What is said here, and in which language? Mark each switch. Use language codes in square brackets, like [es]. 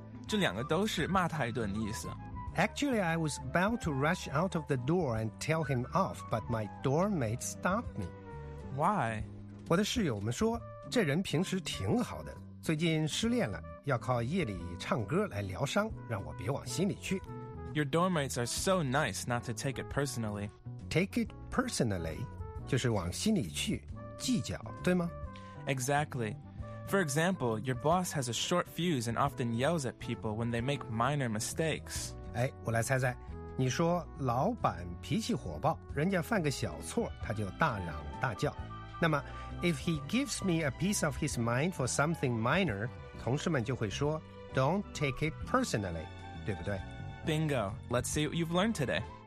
[zh] 这两个都是骂他一顿的意思。 [en] Actually, I was about to rush out of the door and tell him off, but my doormate stopped me. Why? [zh] 我的室友们说，这人平时挺好的，最近失恋了，要靠夜里唱歌来疗伤，让我别往心里去。 [en] Your doormates are so nice not to take it personally. Take it personally, [zh] 就是往心里去，计较，对吗？ [en] Exactly. For example, your boss has a short fuse and often yells at people when they make minor mistakes. [zh] 哎，我来猜猜，你说老板脾气火爆，人家犯个小错，他就大嚷大叫。那么 [en] if he gives me a piece of his mind for something minor, [zh] 同事们就会说 [en] don't take it personally, [zh] 对不对？ [en] Bingo. Let's see what you've learned today.